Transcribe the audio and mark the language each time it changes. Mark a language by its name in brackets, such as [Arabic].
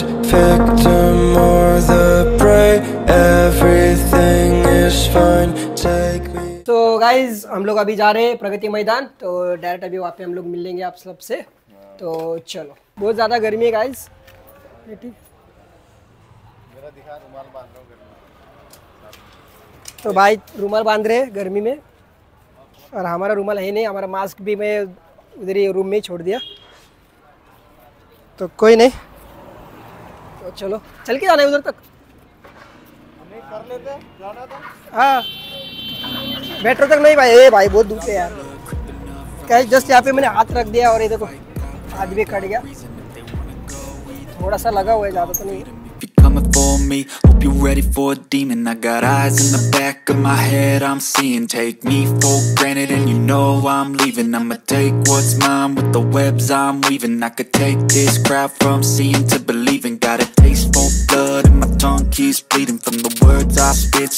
[English] Victim or the prey, everything is fine, take me. [Hindi] तो guys हम लोग अभी जा रहे हैं प्रगति मैदान, तो डायरेक्ट अभी वहाँ पे हम लोग मिलेंगे आप सब से। तो चलो, बहुत ज़्यादा गर्मी है गाइज। तो भाई रूमाल बांध रहे हैं गर्मी में, और हमारा रूमाल है नहीं, हमारा मास्क भी मैं उधर ही रूम में छोड़ दिया, तो कोई नहीं, चलो चल के जाना है उधर तक, हमें कर लेते जाना था। हाँ मेट्रो तक नहीं भाई, ए भाई बहुत दूर है यार, क्या जस्ट यहाँ पे मैंने हाथ रख दिया और ये देखो आदमी कट गया, थोड़ा सा लगा हुआ है, ज्यादा तो नहीं। [English] Me. Hope you're ready for a demon. I got eyes in the back of my head. I'm seeing. Take me for granted, and you know I'm leaving. I'ma take what's mine with the webs I'm weaving. I could take this crowd from seeing to believing. Got a taste for blood, and my tongue keeps bleeding from the words I spit.